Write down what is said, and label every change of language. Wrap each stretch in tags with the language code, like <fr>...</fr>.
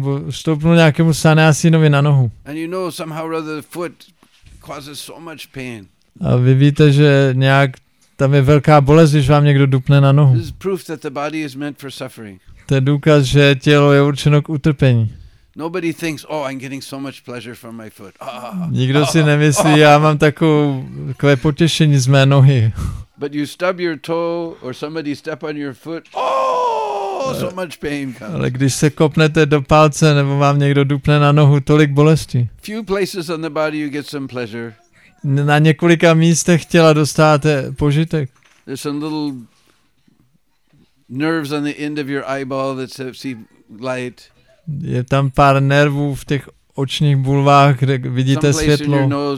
<cs>Stoupnul nějakému sannyasinovi na nohu.</cs> <en>And you know somehow or other the foot causes so much pain.</en> <cs>A vy víte, že nějak tam je velká bolest, když vám někdo dupne na nohu.</cs> <en>This is proof that the body is meant for suffering.</en> <cs>To je důkaz, že tělo je určeno k utrpení.</cs> <en>Nobody thinks, oh, I'm getting so much pleasure from my foot.</en> <cs>Nikdo si nemyslí, já mám takové potěšení z mé nohy.</cs> <en>But you stub your toe or somebody step on your foot. So much pain comes.</en> <cs>Ale když se kopnete do palce nebo vám někdo dupne na nohu, tolik bolesti.</cs> <en>Few places on the body you get some pleasure.</en> <cs>Na několika místech těla dostáváte požitek.</cs> <en>There's some little nerves on the end of your eyeball that see light.</en> <cs>Je tam pár nervů v těch očních bulvách, kde vidíte světlo.</cs>